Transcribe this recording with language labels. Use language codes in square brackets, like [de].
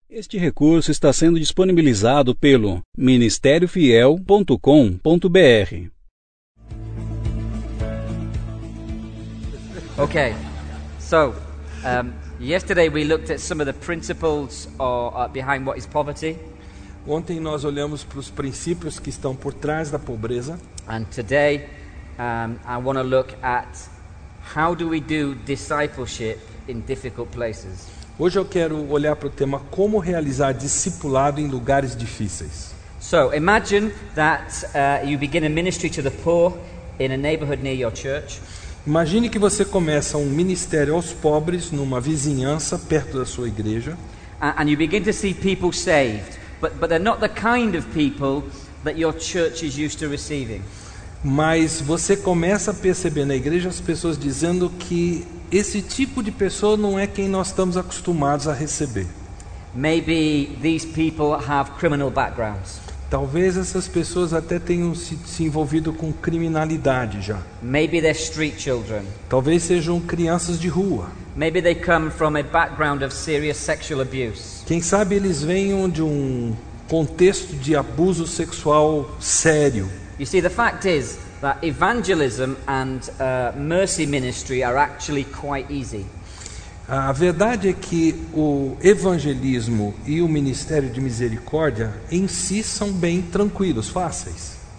[pt] Este recurso está sendo disponibilizado pelo ministériofiel.com.br. [en] Okay. So, yesterday we looked at some of the principles behind what is poverty. [pt] Ontem nós olhamos para os princípios que estão por trás da pobreza. [en] And today, I want to look at how do we do discipleship in difficult places. [pt] Hoje eu quero olhar para o tema como realizar discipulado em lugares difíceis. [en] So, imagine that you begin a ministry to the poor in a neighborhood near your church. [pt] Imagine que você começa um ministério aos pobres numa vizinhança perto da sua igreja. [en] And you begin to see people saved, but they're not the kind of people that your church is used to receiving. [pt] Mas você começa a perceber na igreja as pessoas dizendo que esse tipo de pessoa não é quem nós estamos acostumados a receber. [en] Maybe these people have criminal backgrounds. [pt] Talvez essas pessoas até tenham se envolvido com criminalidade já. [en] Maybe they're street children. [pt] Talvez sejam crianças de rua. [en] Maybe they come from a background of serious sexual abuse. [pt] Quem sabe eles venham de um contexto de abuso sexual sério. [en] You see, the fact is that evangelism and mercy ministry are actually quite easy. [pt] A verdade é que o evangelismo e o ministério de misericórdia em si são bem tranquilos, fáceis.